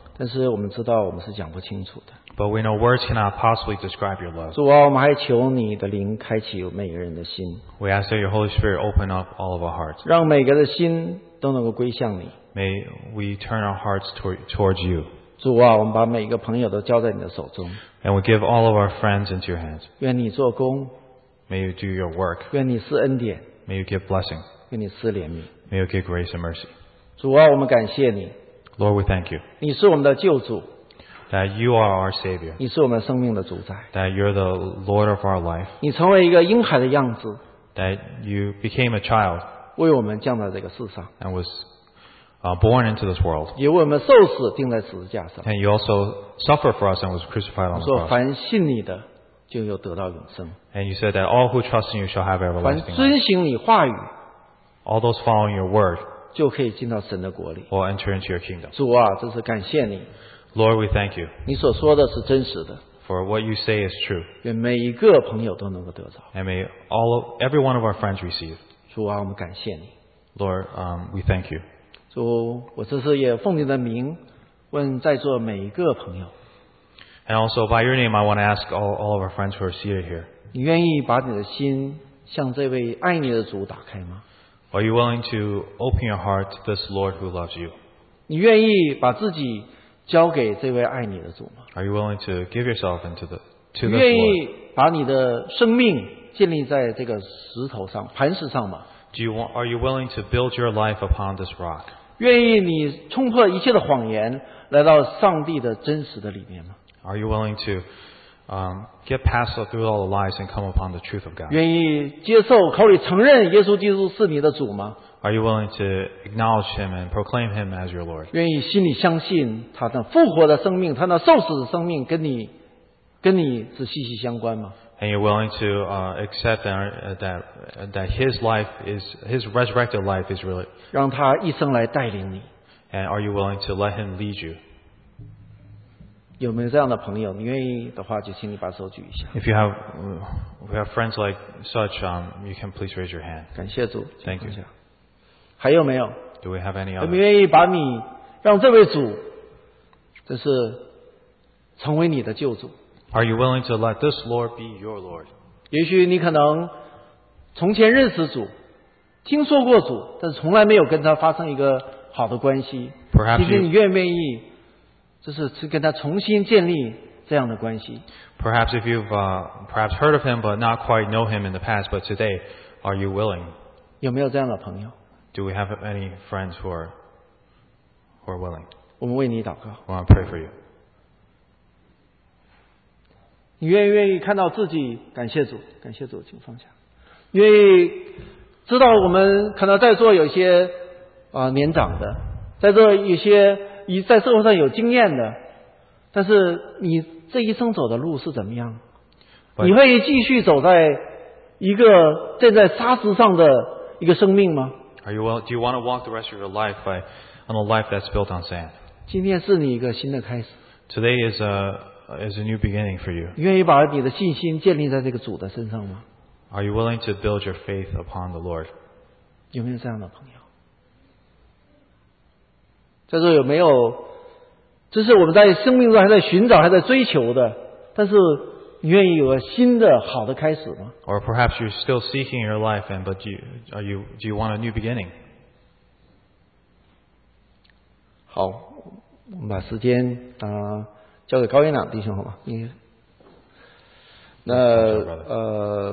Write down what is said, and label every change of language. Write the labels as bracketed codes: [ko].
[zh] 但是我们知道我们是讲不清楚的。 [en] But we know words cannot possibly describe your love. [zh] 主啊，我们还求你的灵开启每个人的心。 [en] We ask that your Holy Spirit open up all of our hearts. [zh] 让每个的心都能够归向你。 [en] May we turn our hearts towards you. [zh] 主啊，我们把每一个朋友都交在你的手中。 [en] And we give all of our friends into your hands. [zh] 愿你做工。 [en] May you do your work. [zh] 愿你赐恩典。 [en] May you give blessing. [zh] 愿你赐怜悯。 [en] May you give grace and mercy. [zh] 主啊，我们感谢你。 [en] Lord, we thank you. [zh] 你是我们的救主。 [en] That you are our Savior. [zh] 你是我们生命的主宰。 [en] That you're the Lord of our life. [zh] 你成为一个婴孩的样子。 [en] That you became a child. [zh] 为我们降在这个世上。 [en] And was born into this world. [zh] 也为我们受死钉在十字架上。 [en] And you also suffered for us and was crucified on the cross. [zh] 说凡信你的就有得到永生。 [en] And you said that all who trust in you shall have everlasting life. [zh] 凡遵行你话语。 [en] All those following your word. [zh] 就可以进到神的国里。 [en] Will enter into your kingdom. [zh] 主啊，这是感谢你。 [en] Lord, we thank you. [zh] 你所说的是真实的。 [en] For what you say is true. [zh] 愿每一个朋友都能够得着。 [en] And may all of, every one of our friends receive. [zh] 主啊，我们感谢你。 [en] Lord, we thank you. [zh] 主，我这次也奉你的名问在座每一个朋友。 [en] And also by your name, I want to ask all of our friends who are seated here. [zh] 你愿意把你的心向这位爱你的主打开吗？ [en] Are you willing to open your heart to this Lord who loves you? [zh] 你愿意把自己交给这位爱你的主吗？ [en] Are you willing to give yourself into the to this Lord? [zh] 愿意把你的生命建立在这个石头上、磐石上吗？ [en] Are you willing to build your life upon this rock? [zh] 愿意你冲破一切的谎言，来到上帝的真实的里面吗？ [en] Are you willing to get past through all the lies and come upon the truth of God? [zh] 愿意接受、口里承认耶稣基督是你的主吗？ [en] Are you willing to acknowledge him and proclaim him as your Lord? [zh] 愿意心里相信他的复活的生命，他的受死的生命跟你是息息相关吗？ [en] And you're willing to accept that his life is his resurrected life is really [zh] 让他一生来带领你。 [en] And are you willing to let him lead you? [zh] 有没有这样的朋友？你愿意的话，就请你把手举一下。 [en] If you have friends like such, you can please raise your hand. [zh] 感谢主。 [en] Thank you. [zh] 还有没有？ [en] Do we have any other? [zh] 你愿意把你让这位主，这是成为你的救主。 [en] Are you willing to let this Lord be your Lord? [zh] 也许你可能从前认识主，听说过主，但是从来没有跟他发生一个好的关系。 [en] Perhaps [zh] 今天你愿不愿意，这是去跟他重新建立这样的关系 [en] ？Perhaps if you've perhaps heard of him but not quite know him in the past, but today, are you willing? [zh] 有没有这样的朋友？ [en] Do we have any friends who are willing? [zh] 我们为你祷告。 [en] I want to pray for you. [zh] 你愿不愿意看到自己？感谢主，感谢主，请放下。愿意知道我们可能在座有些年长的，在座有些在社会上有经验的，但是你这一生走的路是怎么样？ [en] But, [zh] 你会继续走在一个站在沙石上的一个生命吗？ [en] Do you want to walk the rest of your life on a life that's built on sand? [zh] 今天是你一个新的开始。 [en] Today is a new beginning for you. [zh] 愿意把你的信心建立在这个主的身上吗？ [en] Are you willing to build your faith upon the Lord? [zh] 有没有这样的朋友？在座有没有？这是我们在生命中还在寻找、还在追求的，但是。你愿意有个新的好的开始吗？ [en] Or perhaps you're still seeking your life, and but do you want a new beginning? [zh] 好，我们把时间交给高院长弟兄好吗？那